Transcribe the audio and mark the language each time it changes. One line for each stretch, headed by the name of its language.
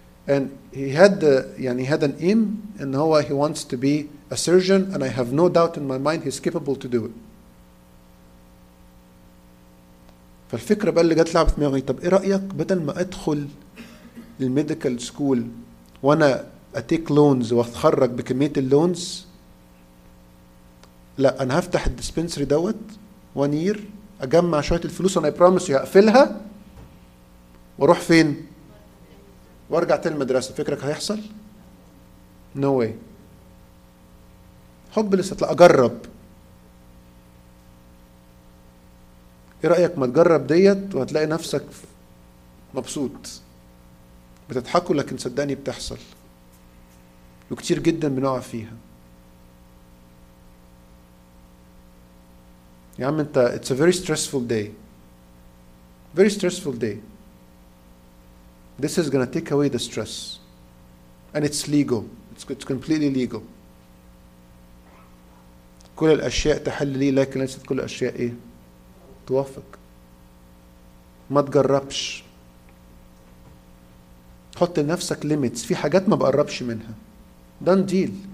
English: And he had an aim in how he wants to be a surgeon, and I have no doubt in my mind he's capable to do it.
Arabic: فالفكرة بقى اللي جات لعبت دماغي، طب ايه رأيك بدل ما ادخل الميديكال سكول وانا اتيك لونز واتخرج بكمية اللونز، لا انا هفتح الدسبنسري دوت
English: one year،
Arabic: اجمع شويه الفلوس انا
English: promise
Arabic: هقفلها واروح فين وارجع تاني المدرسه. فكرك هيحصل؟
English: no way.
Arabic: حب الاستطلاع أجرب. إيه رأيك ما تجرب ديت وهتلاقي نفسك مبسوط بتضحكوا لكن صدقني بتحصل وكتير جدا بنقع فيها. يا عم انت
English: it's a very stressful day, very stressful day. This is gonna take away the stress and it's legal, it's completely legal.
Arabic: كل الأشياء تحل لي لكن ليست كل الأشياء ايه توافق. ما تجربش, حط لنفسك
English: limits.
Arabic: في حاجات ما بقربش منها,
English: done deal.